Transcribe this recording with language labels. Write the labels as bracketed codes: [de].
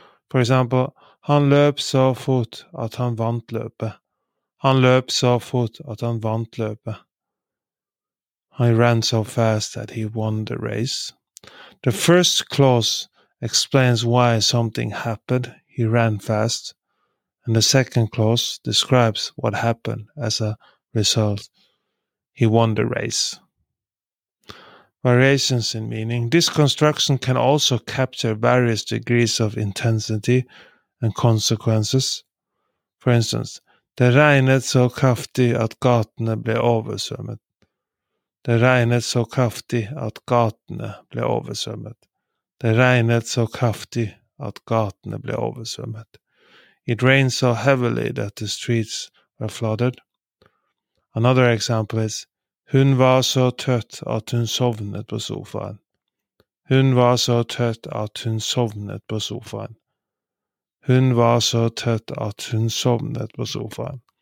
[en] For example, [no] han løp så fort at han vant løpet. Han løp så fort at han vant løpet. [en] I ran so fast that he won the race. The first clause explains why something happened. He ran fast. And the second clause describes what happened as a result. He won the race. Variations in meaning. This construction can also capture various degrees of intensity and consequences. For instance, [no] det regnet så kraftig at gatene ble oversvømmet. Det regnet så kraftig at gatene ble oversvømmet. Det regnet så kraftig at gatene ble oversvømmet. [en] It rained so heavily that the streets were flooded. Another example is, [no] hun var så trött att hon sovnet på sofaen. Hun var så trött att hon sovnet på sofaen. Hun var så trött att hon sovnet på sofaen.